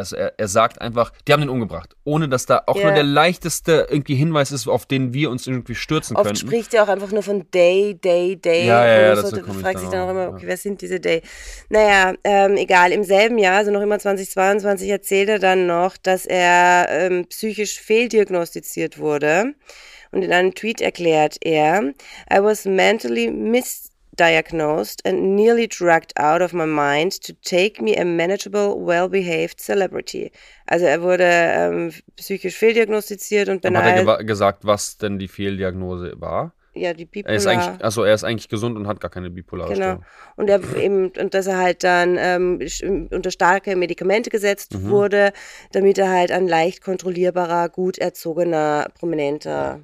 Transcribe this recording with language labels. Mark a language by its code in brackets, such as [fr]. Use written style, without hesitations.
[de] Er sagt einfach, die haben den umgebracht. Ohne dass da auch nur der leichteste irgendwie Hinweis ist, auf den wir uns irgendwie stürzen Oft könnten. Oft spricht er auch einfach nur von Day. Ja, dazu komme ich dann auch immer. Okay, wer sind diese Day? Naja, egal. Im selben Jahr, also noch immer 2022, erzählt er dann noch, dass er psychisch fehldiagnostiziert wurde. Und in einem Tweet erklärt er, [en] I was mentally misdiagnosed and nearly drugged out of my mind to take me a manageable, well-behaved celebrity. [de] Also er wurde psychisch fehldiagnostiziert und beneidet. Hat er gesagt, was denn die Fehldiagnose war? Ja, die Bipolar. Er ist eigentlich gesund und hat gar keine bipolare Störung. Und er eben, und dass er halt dann unter starke Medikamente gesetzt wurde, damit er halt ein leicht kontrollierbarer, gut erzogener, prominenter